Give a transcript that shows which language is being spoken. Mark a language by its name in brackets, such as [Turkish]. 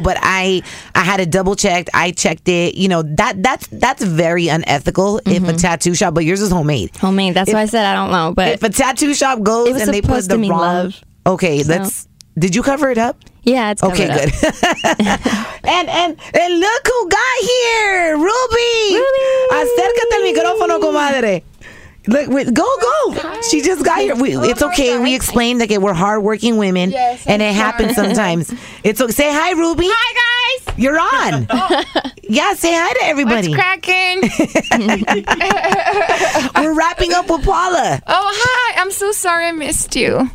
[English] But I had it double checked. I checked it. You know, that's very unethical if a tattoo shop, but yours is homemade. Homemade. That's why I said I don't know. But if a tattoo shop goes and they put the wrong. Love. Okay, let's. Did you cover it up? Yeah, it's covered okay, up. Good. and look who got here, Rubi. [Spanish] Acércate al micrófono, comadre. [English] Look, go. Hi. She just got here. It's okay. We explained that we're hardworking women, yes, and it happens sometimes. It's okay. Say hi, Rubi. Hi, guys. You're on. Oh. Yeah, say hi to everybody. What's cracking? We're wrapping up with Paula. Oh, hi. I'm so sorry I missed you.